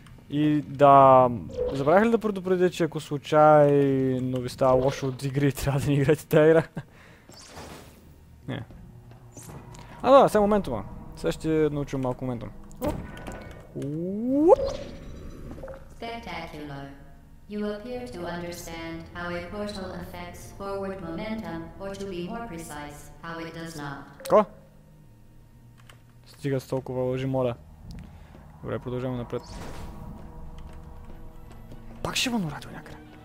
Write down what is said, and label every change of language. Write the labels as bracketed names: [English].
[Bulgarian] И да, забравях ли да предупредя, че ако случайно ви става лошо от игри, трябва да не играете тази игра? Не. А да, сега моментума. Сега ще научим малко моментум. [English] Spectacular. You appear to understand how a portal affects forward momentum, or to be more precise, how it does not. [Bulgarian] Ко? Стига с толкова лъжи, моля. Добре, продължаваме напред. Пак ще вън урадил някъде.